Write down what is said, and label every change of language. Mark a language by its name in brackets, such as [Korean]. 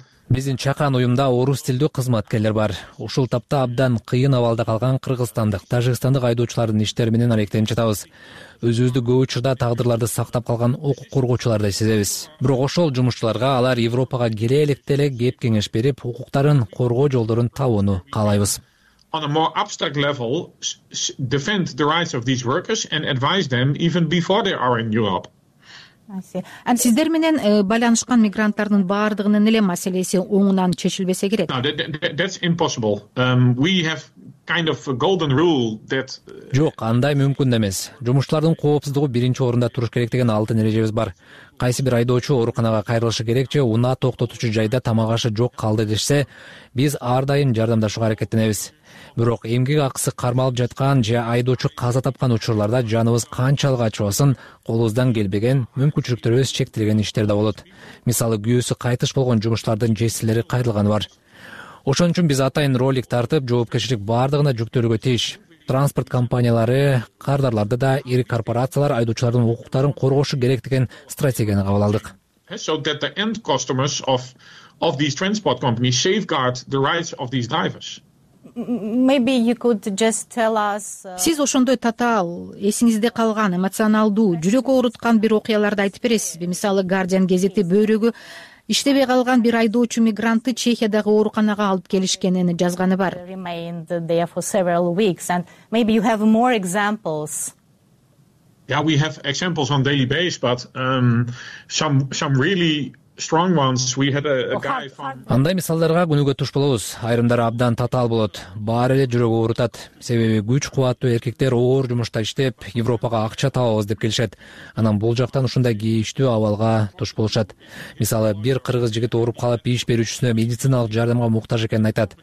[Kyrgyz] Биздин чакан уюмда орус тилдүү кызматкерлер бар. Ушул тапта абдан кыйын абалда калган кыргызстандык, тажикстандык айдоочулардын иштери менен аракеттенип жатабыз. Өзүбүздү көп учурда тагдырларды сактап калган укук коргоочулардай сезебиз. Бирок ошол жумушчуларга алар Европага келе электе эле кеп кеңеш берип, укуктарын коргоо жолдорун табууну каалайбыз. [English] On a more abstract level, defend the rights of these workers and advise them even before they are in Europe. [Kyrgyz] Сиздер менен байланышкан мигранттардын баардыгынын эле маселеси оңунан чечилбесе керек? [English] That's impossible. We have kind of a golden rule that [Kyrgyz] Жок, андай мүмкүн эмес. Жумушчулардын коопсуздугу биринчи орунда туруш керек деген алтын эрежебиз бар. Кайсы бир айдоочу ооруканага кайрылышы керек же унаа токтотуучу жайда тамак ашы жок калды дешсе, биз ар дайым жардамдашууга аракеттенебиз. Бирок эмгек акысы кармалып жаткан же айдоочу каза тапкан учурларда жаныбыз канчалык ачыбасын, колубуздан келбеген мүмкүнчүлүктөрүбүз чектелген иштер да болот. Мисалы, күйөөсү кайтыш болгон жумушчулардын жесирлери кайрылганы бар. Ошон үчүн биз атайын ролик тартып, жоопкерчилик баардыгына жүктөлүүгө тийиш. транспорт компаниялары, кардарларды да, ири корпорациялар айдоочулардын укуктарын коргошу керек деген стратегияны кабыл алдык. [English] So that the end customers of these transport companies safeguard the rights of these drivers. Maybe you could just tell us. [Kyrgyz] Сиз ошондой татаал, эсиңизде калган, эмоционалдуу, жүрөк ооруткан бир окуяларды айтып бересизби? Мисалы, Guardian гезети бөйрөгү иштебей калган бир айдоочу мигрантты Чехиядагы ооруканага алып келишкенин жазганы бар. [English] Remained there for several weeks and maybe you have more examples. Yeah, we have examples on daily basis, but some really strong ones. We had a guy from [Kyrgyz] Андай мисалдарга күнүгө туш болобуз. Айрымдары абдан татаал болот. Баары эле жүрөк оорутат. Себеби күч кубаттуу эркектер оор жумушта иштеп, Европага акча табабыз деп келишет. Анан бул жактан ушундай кийиштүү абалга туш болушат. Мисалы, бир кыргыз жигит ооруп калып, иш берүүчүсүнө медициналык жардамга муктаж экенин айтат.